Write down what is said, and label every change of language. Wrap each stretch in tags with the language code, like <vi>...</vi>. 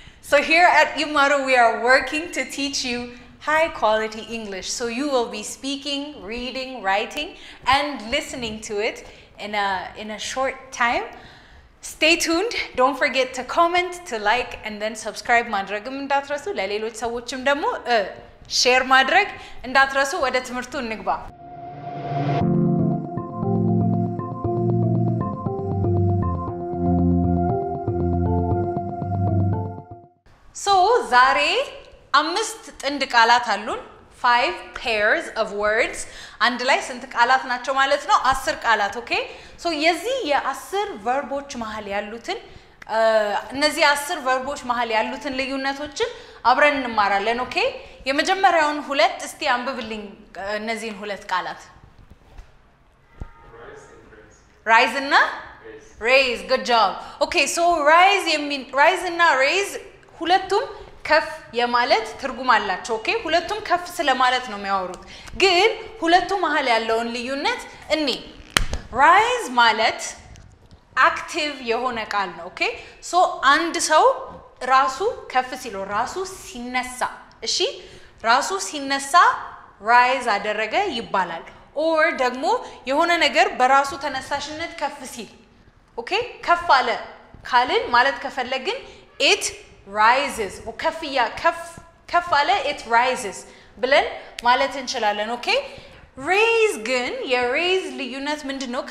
<en>So here at Yimaru we are working to teach you high quality English. So you will be speaking, reading, writing and listening to it in a short time. Stay tuned. Don't forget to comment, to like and then subscribe</en> <am>ማድረግም እንዳትረሱ ለሌሎች ሰዎችም ደግሞ ሼር ማድረግ እንዳትረሱ። ወደ ትምህርቱ እንግባ። So, ዛሬ አምስት ጥንድ ቃላት አሉን።</am> <en>5 pairs of words.</en> <am>አንድ ላይ ስንት ቃላት ናቸው ማለት ነው? 10 ቃላት. ኦኬ? So, የዚህ የ10 verbs መሃል ያሉትን እነዚህ 10 verbs መሃል ያሉትን ልዩነቶችን አብረን እንማራለን። ኦኬ? የመጀመሪያውን ሁለት እስቲ አንብብልኝ። እነዚህን ሁለት ቃላት rise and raise.</am> <en>Raise, good job. Okay, so rise mean rise and raise</en> <am>ሁለቱም ከፍ የማለት ትርጉም አላቸው። ኦኬ? ሁለቱም ከፍ ስለማለት ነው የሚያወሩት። ግን ሁለቱ መሃል ያለውን ልዩነት እኔ rise ማለት active የሆነ ቃል ነው። ኦኬ? So አንድ ሰው ራሱ ከፍ ሲል ራሱ ሲነሳ እሺ ራሱ ሲነሳ rise አደረገ ይባላል። or ደግሞ የሆነ ነገር በራሱ ተነሳሽነት ከፍ ሲል ኦኬ ከፍ አለ ካልን ማለት ከፈለግን it rises ወከፍያ ከፍ ከፍ አለ it rises ብለን ማለት እንችላለን። ኦኬ raise ግን የraise ልዩነት ምንድነው?</am>